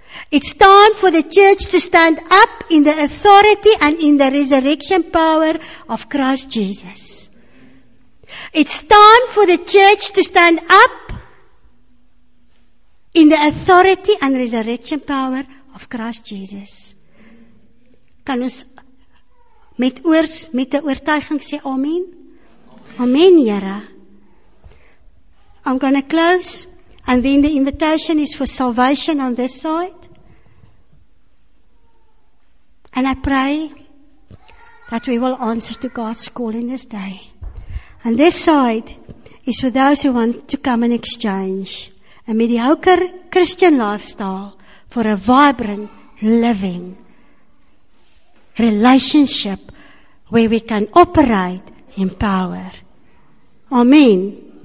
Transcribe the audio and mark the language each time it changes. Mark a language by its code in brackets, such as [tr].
[en] It's time for the church to stand up in the authority and in the resurrection power of Christ Jesus. It's time for the church to stand up in the authority and resurrection power of Christ Jesus. [af] Kan ons met 'n oortuiging sê amen? Amen, Here. [en] I'm going to close, and then the invitation is for salvation on this side. And I pray that we will answer to God's call in this day. And this side is for those who want to come and exchange a mediocre Christian lifestyle for a vibrant, living relationship where we can operate in power. Amen.